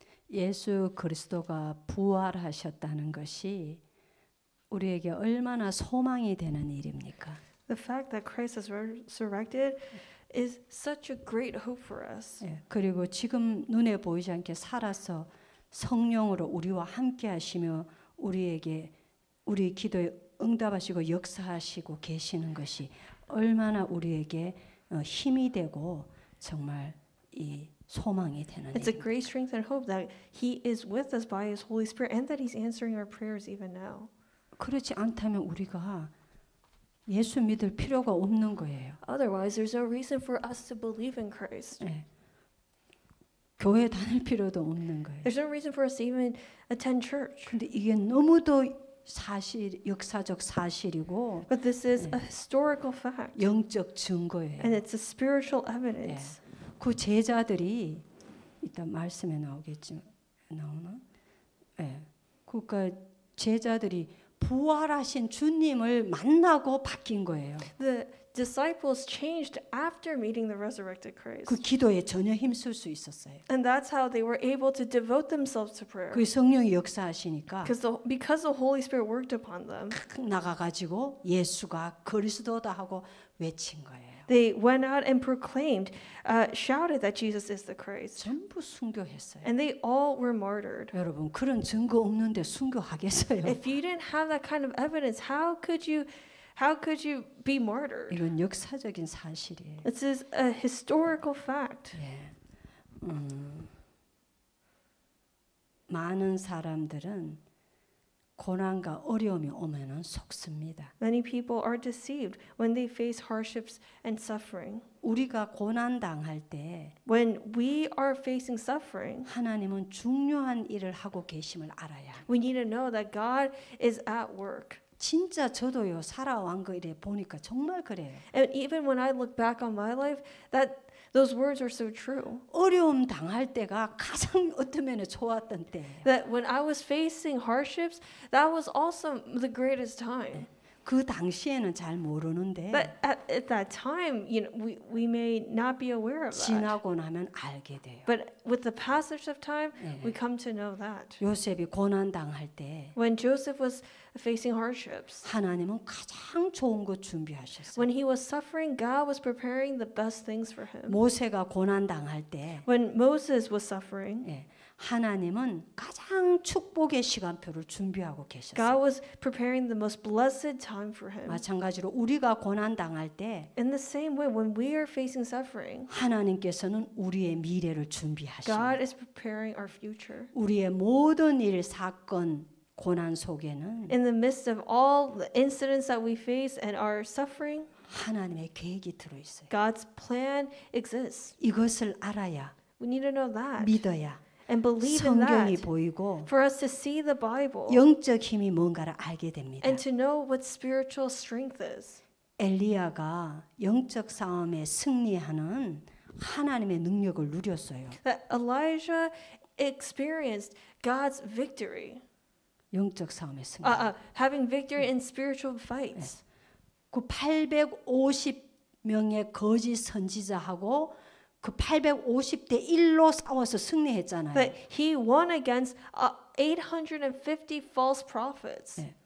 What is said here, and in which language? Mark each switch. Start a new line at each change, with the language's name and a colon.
Korean: Yesu Kristo가 부활하셨다는 것이 우리에게 얼마나 소망이 되는 일입니까?
English: The fact that Christ has resurrected is such a great hope for us.
Korean: 그리고 지금 눈에 보이지 않게 살아서 성령으로 우리와 함께 하시며 우리에게 우리 기도에 응답하시고 역사하시고 계시는 것이 얼마나 우리에게 힘이 되고 정말 이
English: It's a great strength and hope that He is with us by His Holy Spirit, and that He's answering our prayers even now.
Korean: 그렇지 않다면 우리가 예수 믿을 필요가 없는 거예요.
English: Otherwise, there's no reason for us to believe in Christ.
Korean: 네. 교회 다닐 필요도 없는 거예요.
English: There's no reason for us to even attend church.
Korean: 근데 이게 너무도 사실 역사적 사실이고.
English: But this is 네. a historical fact.
Korean: 영적 증거예요.
English: And it's a spiritual evidence.
Korean: 네. 그 제자들이 이따 말씀에 나오겠지 나오나? 예. 네. 그러니까 제자들이 부활하신 주님을 만나고 바뀐 거예요.
English: The disciples changed after meeting the resurrected Christ.
Korean: 그 기도에 전혀 힘쓸 수 있었어요.
English: And that's how they were able to devote themselves to prayer.
Korean: 그 성령이 역사하시니까.
English: Because the Holy Spirit worked upon them.
Korean: 나가가지고 예수가 그리스도다 하고 외친 거예요.
English: They went out and proclaimed, shouted that Jesus is the Christ.
Korean: 전부 순교했어요.
English: And they all were martyred.
Korean: 여러분 그런 증거 없는데 순교하겠어요?
English: If you didn't have that kind of evidence, how could you be martyred?
Korean: 이건 역사적인 사실이에요.
English: This is a historical fact.
Korean: 예. 많은 사람들은 고난과 어려움이 오면은 속습니다.
English: Many people are deceived when they face hardships and suffering.
Korean: 우리가 고난 당할 때,
English: when we are facing suffering,
Korean: 하나님은 중요한 일을 하고 계심을 알아야.
English: We need to know that God is at work.
Korean: 진짜 저도요 살아온 거 이래 보니까 정말 그래요.
English: And even when I look back on my life, that Those words are so true.
Korean: 어려움 당할 때가 가장 어떤 면에 좋았던 때.
English: That when I was facing hardships, that was also the greatest time.
Korean: 그 당시에는 잘 모르는데.
English: But at that time, you know, we may not be aware of that.
Korean: 지나고 나면 알게 돼요.
English: But with the passage of time, 네. we come to know that.
Korean: 요셉이 고난 당할 때.
English: When Joseph was facing hardships.
Korean: 하나님은 가장 좋은 거 준비하셨어요.
English: When he was suffering, God was preparing the best things for him.
Korean: 모세가 고난 당할 때.
English: When Moses was suffering.
Korean: 네. 하나님은 가장 축복의 시간표를 준비하고 계셨어요.
English: God was preparing the most blessed time for him.
Korean: 마찬가지로 우리가 고난 당할 때
English: In the same way when we are facing suffering.
Korean: 하나님께서는 우리의 미래를 준비하십니다.
English: God is preparing our future.
Korean: 우리의 모든 일 사건 고난 속에는
English: In the midst of all the incidents that we face and our suffering.
Korean: 하나님의 계획이 들어 있어요.
English: God's plan exists.
Korean: 이것을 알아야
English: We need to know that.
Korean: 믿어야.
English: And believe
Korean: 성경이
English: in that,
Korean: 보이고
English: for us to see the Bible,
Korean: 영적 힘이 뭔가를 알게 됩니다.
English: And to know what spiritual strength is.
Korean: 엘리야가 영적 싸움에 승리하는 하나님의 능력을 누렸어요.
English: That Elijah experienced God's victory.
Korean: 영적 싸움에 승리.
English: Having victory in spiritual fights.
Korean: 그 850명의 거짓 선지자하고 그 850대 1로 싸워서 승리했잖아요.
English: But he won against 850 false prophets.